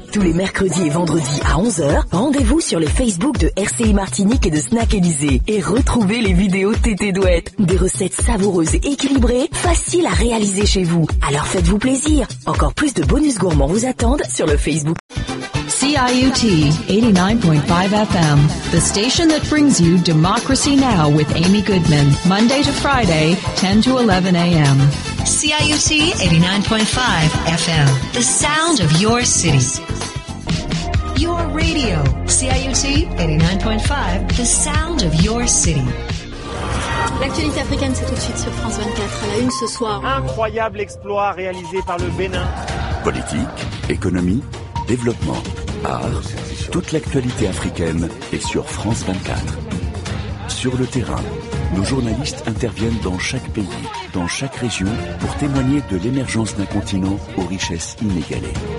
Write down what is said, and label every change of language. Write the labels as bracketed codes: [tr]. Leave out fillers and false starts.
[fr] Tous les mercredis et vendredis à 11h, rendez-vous sur les Facebook de RCI Martinique et de Snack Élysée et retrouvez les vidéos Tété Douette. Des recettes savoureuses et équilibrées, faciles à réaliser chez vous. Alors faites-vous plaisir. Encore plus de bonus gourmands vous attendent sur le Facebook. [en] CIUT 89.5 FM, the station that brings you Democracy Now! With Amy Goodman, Monday to Friday, 10 to 11 a.m. CIUT 89.5 FM, the sound of your city. Your radio, CIUT 89.5, the sound of your city. [fr] L'actualité africaine, c'est tout de suite sur France 24, à la une ce soir. Incroyable exploit réalisé par le Bénin. Politique, économie, développement. Art, toute l'actualité africaine est sur France 24. Sur le terrain, nos journalistes interviennent dans chaque pays, dans chaque région, pour témoigner de l'émergence d'un continent aux richesses inégalées.